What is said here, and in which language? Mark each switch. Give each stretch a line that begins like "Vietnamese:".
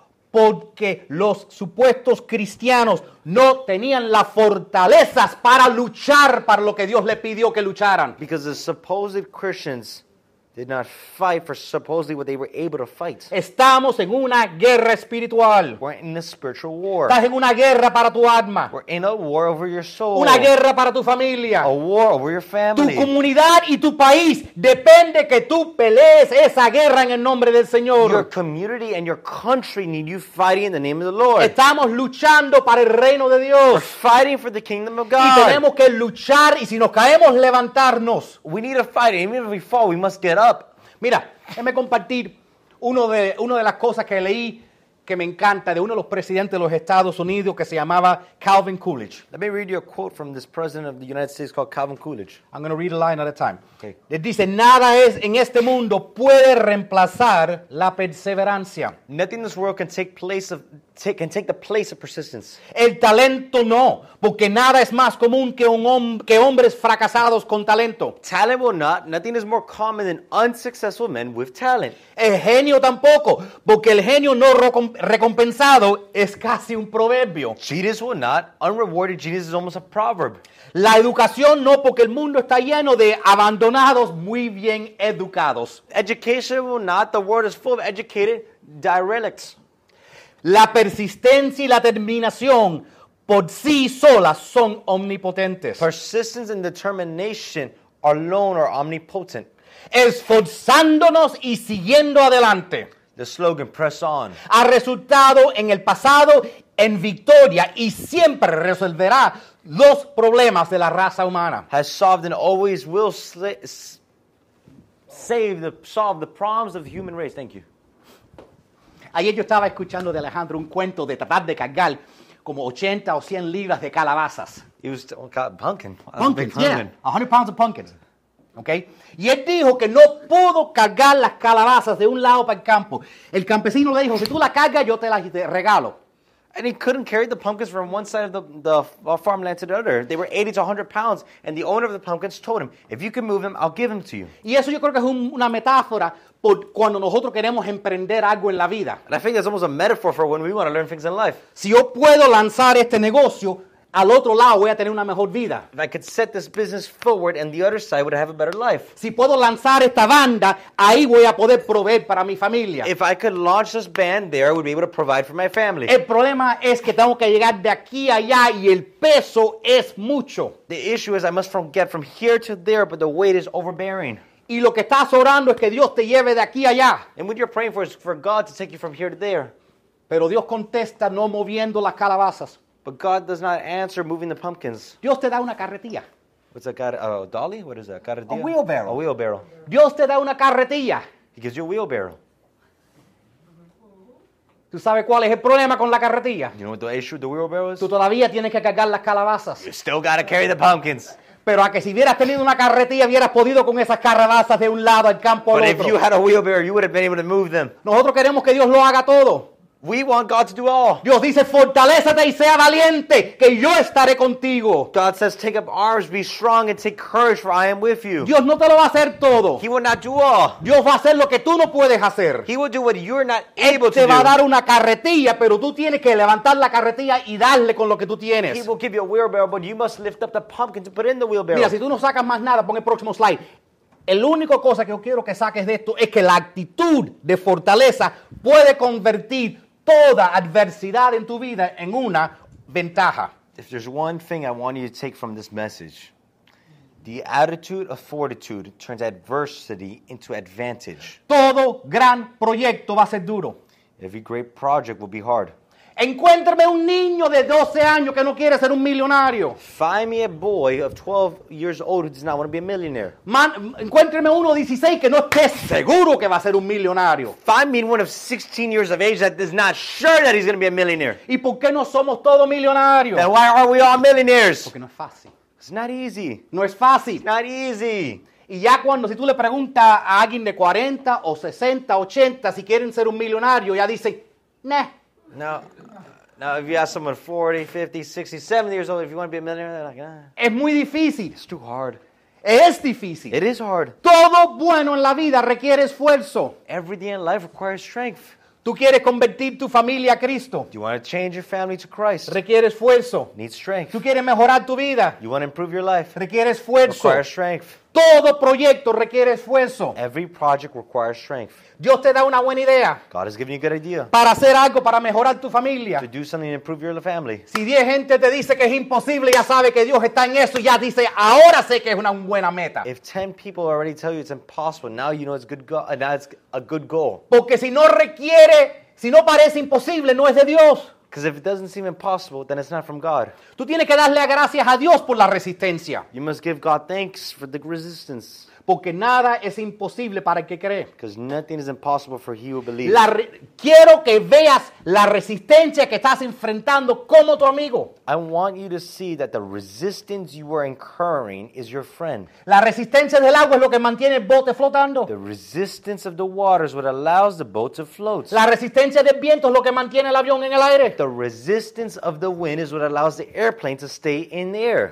Spanish: Porque los supuestos cristianos no tenían las fortalezas para luchar para lo que Dios le pidió que lucharan.
English: Because the supposed Christians did not fight for supposedly what they were able to fight.
Spanish: Estamos en una guerra espiritual.
English: We're in a spiritual war.
Spanish: Estás en una guerra para tu alma.
English: We're in a war over your soul.
Spanish: Una guerra para tu familia.
English: A war over your family.
Spanish: Tu comunidad y tu país depende que tú pelees esa guerra en el nombre del Señor.
English: Your community and your country need you fighting in the name of the Lord.
Spanish: Estamos luchando para el reino de Dios.
English: We're fighting for the kingdom of God.
Spanish: Y tenemos que luchar y si nos caemos levantarnos.
English: We need to fight. Even if we fall, we must get up.
Spanish: Mira, déjame compartir una de las cosas que leí que me encanta de uno de los presidentes de los Estados Unidos que se llamaba Calvin Coolidge.
English: Let me read you a quote from this president of the United States called Calvin Coolidge. I'm going to read a line at a time. Okay.
Spanish: Él dice, nada es en este mundo puede reemplazar la perseverancia.
English: Nothing in this world can take place of can take the place of persistence.
Spanish: El talento no, porque nada es más común que un que hombres fracasados con talento.
English: Talent will not. Nothing is more common than unsuccessful men with talent.
Spanish: El genio tampoco, porque el genio no recompensado es casi un proverbio.
English: Genius will not. Unrewarded genius is almost a proverb.
Spanish: La educación no, porque el mundo está lleno de abandonados muy bien educados.
English: Education will not. The world is full of educated derelicts.
Spanish: La persistencia y la determinación por sí solas son omnipotentes.
English: Persistence and determination alone are omnipotent.
Spanish: Esforzándonos y siguiendo adelante.
English: The slogan, press on.
Spanish: Ha resultado en el pasado en victoria y siempre resolverá los problemas de la raza humana.
English: Has solved and always will solve the problems of the human race. Thank you.
Spanish: Ayer yo estaba escuchando de Alejandro un cuento de tratar de cargar como 80 o 100 libras de calabazas.
English: He was talking about pumpkin. Pumpkins, yeah. 100 pounds of pumpkins. Okay.
Spanish: Y él dijo que no pudo cargar las calabazas de un lado para el campo. El campesino le dijo, si tú las cargas, yo te las regalo.
English: And he couldn't carry the pumpkins from one side of the farmland to the other. They were 80 to 100 pounds. And the owner of the pumpkins told him, if you can move them, I'll give them to you.
Spanish: Y eso yo creo que es una metáfora por cuando nosotros queremos emprender algo en la vida.
English: And I think that's almost a metaphor for when we want to learn things in life.
Spanish: Si yo puedo lanzar este negocio, al otro lado voy a tener una mejor vida.
English: If I could set this business forward and the other side would have a better life.
Spanish: Si puedo lanzar esta banda, ahí voy a poder proveer para mi familia.
English: If I could launch this band there, I would be able to provide for my family.
Spanish: El problema es que tengo que llegar de aquí a allá y el peso es mucho.
English: The issue is I must get from here to there, but the weight is overbearing.
Spanish: Y lo que estás orando es que Dios te lleve de aquí a allá.
English: And what you're praying for is for God to take you from here to there.
Spanish: Pero Dios contesta no moviendo las calabazas.
English: But God does not answer moving the pumpkins.
Spanish: Dios te da una carretilla.
English: What's that, a dolly? What is that, carretilla? A wheelbarrow. A wheelbarrow.
Spanish: Dios te da una carretilla.
English: He gives you a wheelbarrow.
Spanish: ¿Tú sabes cuál es el problema con la carretilla?
English: You know what the issue with the wheelbarrow is?
Spanish: Tú todavía tienes que cargar las calabazas.
English: You still got to carry the pumpkins.
Spanish: Pero a que si hubieras tenido una carretilla, hubieras podido con esas calabazas de un lado al campo al
English: But
Spanish: otro.
English: But if you had a wheelbarrow, you would have been able to move them.
Spanish: Nosotros queremos que Dios lo haga todo.
English: We want God to do all.
Spanish: Dios dice, fortalézate y sea valiente, que yo estaré contigo.
English: God says, take up arms, be strong, and take courage, for I am with you.
Spanish: Dios no te lo va a hacer todo.
English: He will not do all.
Spanish: Dios va a hacer lo que tú no puedes hacer.
English: He will do what you're not able to do.
Spanish: te va a dar una carretilla, pero tú tienes que levantar la carretilla y darle con lo que tú tienes.
English: He will give you a wheelbarrow, but you must lift up the pumpkin to put in the wheelbarrow.
Spanish: Mira, si tú no sacas más nada, pon el próximo slide. El único cosa que yo quiero que saques de esto es que la actitud de fortaleza puede convertir toda adversidad en tu vida en una ventaja.
English: If there's one thing I want you to take from this message, the attitude of fortitude turns adversity into advantage.
Spanish: Todo gran proyecto va a ser duro.
English: Every great project will be hard.
Spanish: Encuéntrame un niño de 12 años que no quiere ser un millonario.
English: Find me a boy of 12 years old who does not want to be a millionaire.
Spanish: Encuéntrame uno de 16 que no esté seguro que va a ser un millonario.
English: Find me one of 16 years of age that is not sure that he's going to be a millionaire.
Spanish: ¿Y por qué no somos todos millonarios?
English: Then why are we all millionaires?
Spanish: Porque no es fácil.
English: It's not easy.
Spanish: No es fácil.
English: It's not easy.
Spanish: Y ya cuando, si tú le preguntas a alguien de 40 o 60, 80, si quieren ser un millonario, ya dicen, nah.
English: Now, if you ask someone 40, 50, 60, 70 years old, if you want to be a millionaire, they're like, ah.
Spanish: Es muy difícil.
English: It's too hard.
Spanish: Es difícil.
English: It is hard.
Spanish: Todo bueno en la vida requiere esfuerzo.
English: Everything in life requires strength.
Spanish: Tú quieres convertir tu familia a Cristo.
English: You want to change your family to Christ.
Spanish: Requiere esfuerzo.
English: Needs strength.
Spanish: Tú quieres mejorar tu vida.
English: You want to improve your life.
Spanish: Requiere esfuerzo.
English: Requires strength.
Spanish: Todo proyecto requiere esfuerzo.
English: Every project requires strength.
Spanish: Dios te da una buena idea.
English: God has given you a good idea.
Spanish: Para hacer algo, para mejorar tu familia.
English: To do something to improve your family.
Spanish: Si 10 gente te dice que es imposible, ya sabe que Dios está en eso. Ya dice, ahora sé que es una buena meta.
English: If 10 people already tell you it's impossible, now you know it's good now it's a good goal.
Spanish: Porque si no requiere, si no parece imposible, no es de Dios.
English: Because if it doesn't seem impossible, then it's not from God.
Spanish: Tú tienes que darle gracias a Dios por la resistencia.
English: You must give God thanks for the resistance.
Spanish: Porque nada es imposible para el que cree.
English: Because nothing is impossible for he who believes.
Spanish: Quiero que veas la resistencia que estás enfrentando como tu amigo.
English: I want you to see that the resistance you are incurring is your friend.
Spanish: La resistencia del agua es lo que mantiene el bote flotando.
English: The resistance of the water is what allows the boat to float.
Spanish: La resistencia del viento es lo que mantiene el avión en el aire.
English: The resistance of the wind is what allows the airplane to stay in the air.